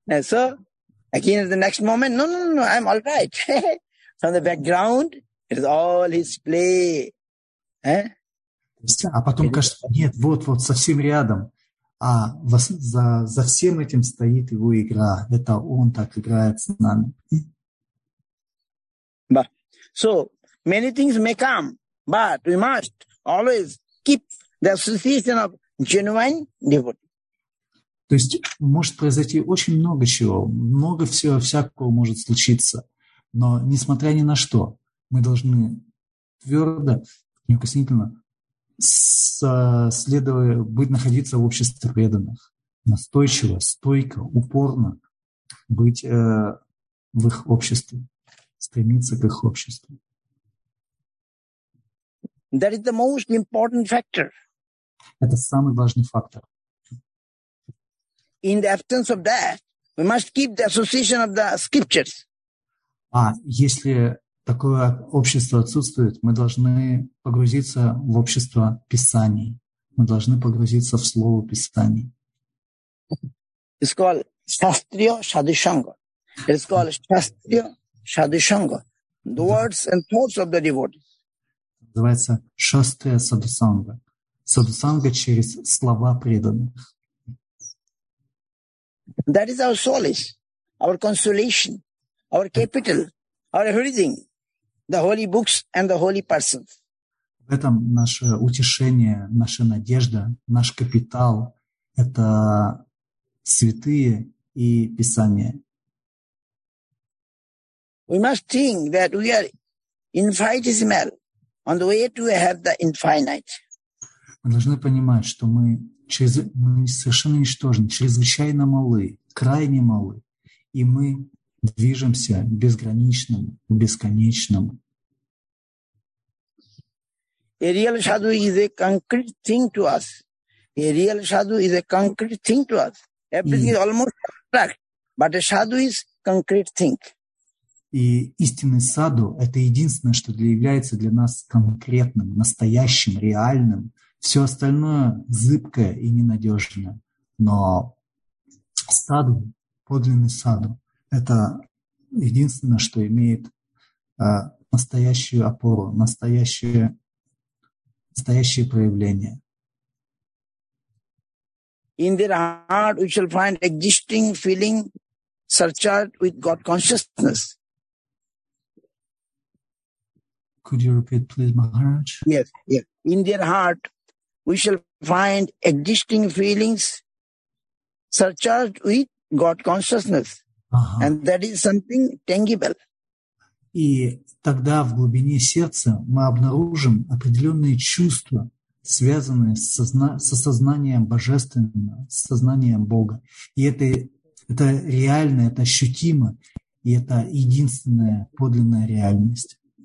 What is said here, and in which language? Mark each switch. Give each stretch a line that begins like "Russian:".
English: So, again in the next moment, no, I'm all right. From the background, it is all his play. Eh?
Russian: А потом кажется, нет, вот, совсем рядом. А за всем этим стоит его игра. Это он так играет с нами.
English: But, so, many things may come, but we must always keep the association of genuine devotee.
Russian: То есть, может произойти очень много чего. Много всего, всякого может случиться. Но, несмотря ни на что, мы должны твердо, неукоснительно находиться в обществе преданных. Настойчиво, стойко, упорно быть в их обществе, стремиться к их обществу.
English: That is the most important factor.
Russian: Это самый важный фактор.
English: In the absence of that, we must keep the association of the scriptures.
Russian: А если такое общество отсутствует, мы должны погрузиться в общество Писаний. Мы должны погрузиться в слово Писаний.
English: It's called Shastriya Shadishanga. It's called Shastriya Shadishanga. The words and thoughts of the devotees.
Russian: Называется Shastriya Sadhusanga. Sadhusanga через слова преданных.
English: That is our solace, our consolation, our capital, our everything, the holy books and the holy persons.
Russian: В этом наше утешение, наша надежда, наш капитал — это святые и Писание.
English: We must think that we are infinitesimal on the way to have the infinite.
Russian: Мы должны понимать, что мы совершенно ничтожны, чрезвычайно малы, крайне малы, и мы движемся безграничным, бесконечным.
English: A real sadhu is a concrete thing to us. A real sadhu is a concrete thing to us. Everything is almost abstract, but a sadhu is concrete thing.
Russian: И истинный саду — это единственное, что является для нас конкретным, настоящим, реальным. Все остальное зыбкое и ненадежное. Но саду, подлинный саду, это единственное, что имеет настоящую опору, настоящее проявление.
English: In their heart we shall find existing feeling surcharged with God consciousness. Could you repeat, please, Maharaj? Yes. In their heart we shall find existing feelings surcharged with God consciousness.
Russian: Ага.
English: And that is something tangible.
Russian: И тогда в глубине сердца мы обнаружим определенные чувства, связанные со сознанием божественного, с сознанием Бога. И это реально, это ощутимо, и это единственная подлинная реальность.